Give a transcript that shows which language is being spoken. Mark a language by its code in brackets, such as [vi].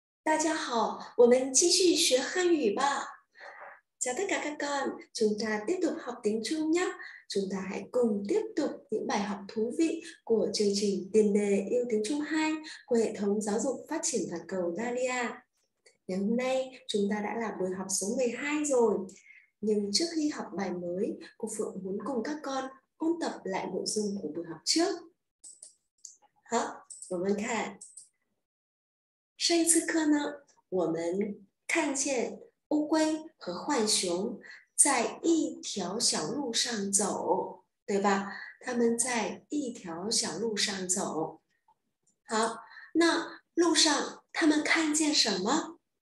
[zh] 大家好，我们继续学汉语吧。 [vi] chào tất cả các con, chúng ta tiếp tục học tiếng Trung nhé. Chúng ta hãy cùng tiếp tục những bài học thú vị của chương trình Tiền đề yêu tiếng Trung 2 của hệ thống giáo dục phát triển toàn cầu Dalia. Ngày hôm nay, chúng ta đã là buổi học số 12 rồi. Nhưng trước khi học bài mới, cô Phượng muốn cùng các con ôn tập lại nội dung của buổi học trước. Hả? Cảm ơn các [zh] 上一次课呢，我们看见乌龟和浣熊在一条小路上走，对吧？他们在一条小路上走。好，那路上他们看见什么？